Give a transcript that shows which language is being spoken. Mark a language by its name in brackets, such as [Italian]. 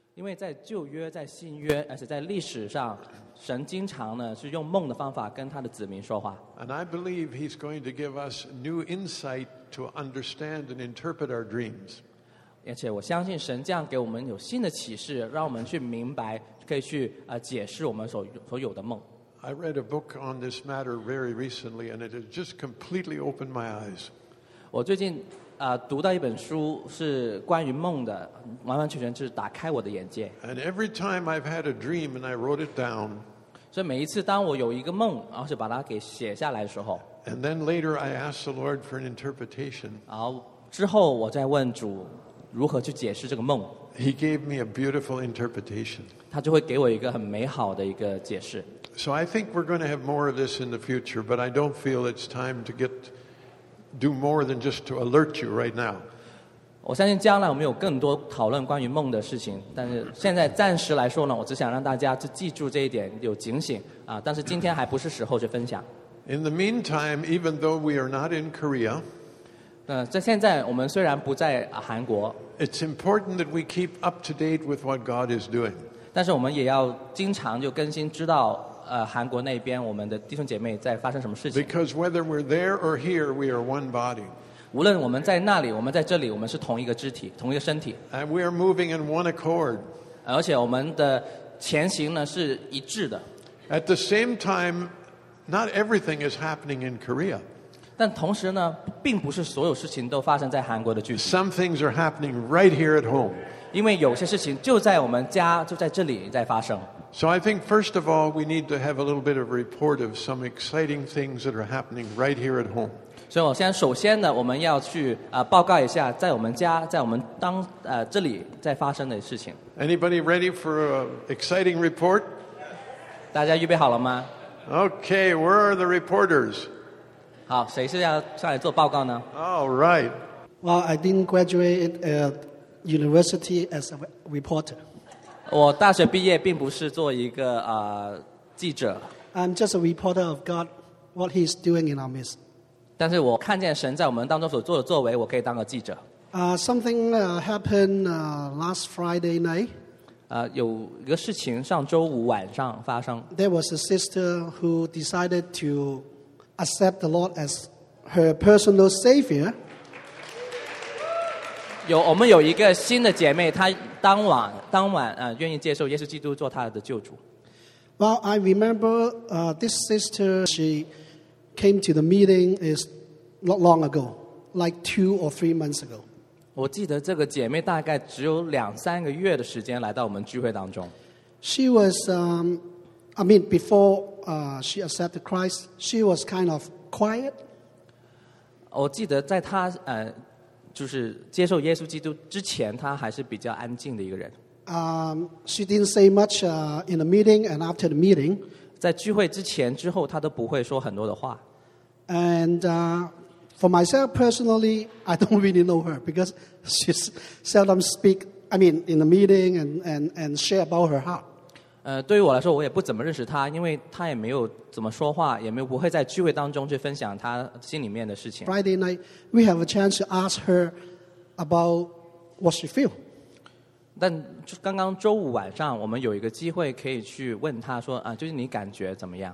[Chinese] 因为在旧约，在新约，而且在历史上，神经常呢，是用梦的方法跟他的子民说话。 [English] And I believe he's going to give us new insight to understand and interpret our dreams. [Chinese] 而且我相信神这样给我们有新的启示，让我们去明白，可以去解释我们所有的梦。 [English] I read a book on this matter very recently, and it has just completely opened my eyes. [Chinese] 我最近读到一本书是关于梦的，完完全全是打开我的眼界。 [English] And every time I've had a dream and I wrote it down. [Chinese] 所以每一次当我有一个梦，然后是把它给写下来的时候。 [English] And then later I asked the Lord for an interpretation. [Chinese] 然后之后我再问主如何去解释这个梦。 [English] He gave me a beautiful interpretation. [Chinese] 他就会给我一个很美好的一个解释。 [English] So I think we're going to have more of this in the future, but I don't feel it's time to get. Do more than just to alert you right now. [Chinese] 我相信将来我们有更多讨论关于梦的事情，但是现在暂时来说呢，我只想让大家去记住这一点，有警醒啊。但是今天还不是时候去分享。 [English] In the meantime, even though we are not in Korea, [Chinese] 在现在我们虽然不在韩国 [English] ，It's important that we keep up to date with what God is doing. [Chinese] 但是我们也要经常就更新知道。韩国那边我们的弟兄姐妹在发生什么事情 [English] ？Because whether we're there or here, we are one body. [Chinese] 无论我们在那里，我们在这里，我们是同一个肢体，同一个身体。 [English] And we are moving in one accord. [Chinese] 而且我们的前行呢是一致的。 [English] At the same time, not everything is happening in Korea. [Chinese] 但同时呢，并不是所有事情都发生在韩国的具体。 [English] Some things are happening right here at home. [Chinese] 因为有些事情就在我们家，就在这里在发生。 [English] So I think, first of all, we need to have a little bit of a report of some exciting things that are happening right here at home. [Chinese] 所以我先首先呢，我们要去报告一下在我们家，在我们当这里在发生的事情。 [English] Anybody ready for an exciting report? [Chinese] 大家预备好了吗 [English] ？Okay, where are the reporters? [Chinese] 好，谁是要上来做报告呢 [English] ？All right. Well, I didn't graduate at university as a reporter. [Chinese] 我大学毕业并不是做一个记者。 [English] I'm just a reporter of God, what He's doing in our midst. [Chinese] 但是我看见神在我们当中所做的作为，我可以当个记者。 [English] Something happened last Friday night. [Chinese] 有一个事情上周五晚上发生。 [English] There was a sister who decided to accept the Lord as her personal savior. [Chinese] 有我们有一个新的姐妹，她当晚愿意接受耶稣基督做她的救主。 [English] Well, I remember this sister, she came to the meeting is not long ago, like 2 or 3 months ago. [Chinese] 我记得这个姐妹大概只有两三个月的时间来到我们聚会当中。 [English] She was, before she accepted Christ, she was kind of quiet. [Chinese] 我记得在她就是接受耶稣基督之前，她还是比较安静的一个人。 [English] She didn't say much in the meeting and after the meeting. [Chinese] 在聚会之前之后，她都不会说很多的话。 [English] And for myself personally, I don't really know her because she seldom speak. I mean, in the meeting and share about her heart. [Chinese] 对于我来说，我也不怎么认识她，因为她也没有怎么说话，也没有不会在聚会当中去分享她心里面的事情。 [English] Friday night, we have a chance to ask her about what she feel. [Chinese] 但刚刚周五晚上我们有一个机会可以去问他说就是你感觉怎么样。